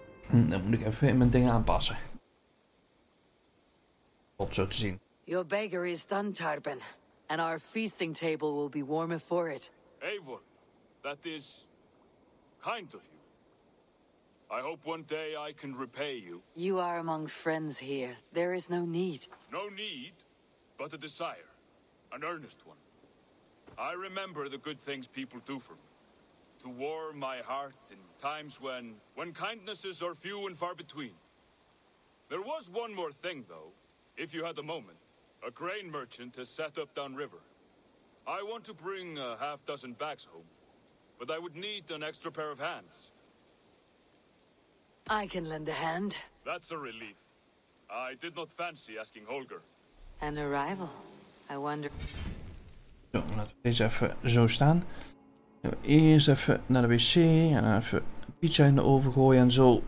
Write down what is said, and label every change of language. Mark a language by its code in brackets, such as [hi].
[nl] Dan moet ik even in mijn dingen aanpassen. Op zo te zien. [en] Your bakery is done, Tarpen. And our feasting table will be warmer for it. Eivor, that is kind of you. I hope one day I can repay you. You are among friends here. There is no need. No need, but a desire. An earnest one. I remember the good things people do for me. To warm my heart in times when kindnesses are few and far between. There was one more thing, though. If you had a moment, a grain merchant has set up downriver. I want to bring a half dozen bags home, but I would need an extra pair of hands. I can lend a hand. That's a relief. I did not fancy asking Holger. An arrival. I wonder. [nl] Zo, laten we deze even zo staan. Eerst even naar de wc en dan even pizza in de oven gooien en zo.